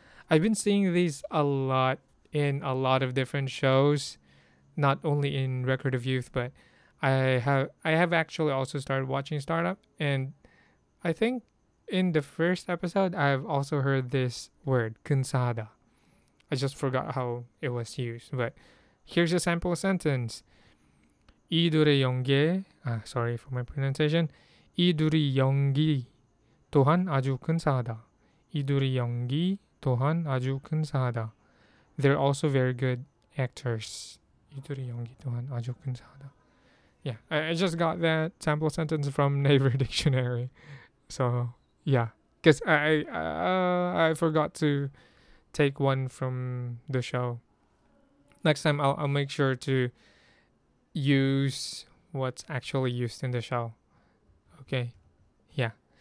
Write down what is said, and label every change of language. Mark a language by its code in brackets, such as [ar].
[en] I've been seeing these a lot in a lot of different shows, not only in Record of Youth, but I have actually also started watching Startup, and I think in the first episode, I've also heard this word, 근사하다. I just forgot how it was used, but here's a sample sentence. [ko] 이 둘의 연기, [en] sorry for my pronunciation. [ko] 이 둘의 연기 또한 아주 근사하다. 이 둘의 연기 또한 아주 근사하다. [en] They're also very good actors. [ko] 이 둘의 연기 또한 아주 근사하다. [en] Yeah, I just got that sample sentence from Naver Dictionary. So, yeah. Because I forgot to take one from the show. Next time, I'll make sure to use what's actually used in the show. Okay? Yeah.